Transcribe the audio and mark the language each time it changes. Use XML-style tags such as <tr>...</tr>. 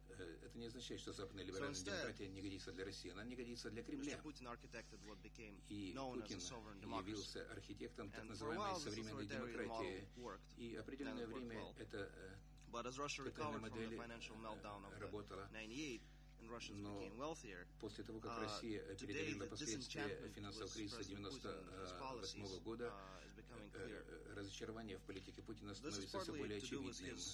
<ru>Это не означает, что западная либеральная демократия не годится для России. Она не годится для Кремля.</ru> <en>Mr. Putin architected what became known as a sovereign democracy.</en> <ru>И Путин явился архитектом так называемой современной демократии. И определенное время это</ru> <en>But as Russia recovered from the financial meltdown of 98, and Russians became wealthier.</en> <ru>После того, как Россия преодолела последствия финансового кризиса 98 года, разочарование в политике Путина становится все более очевидным.</ru>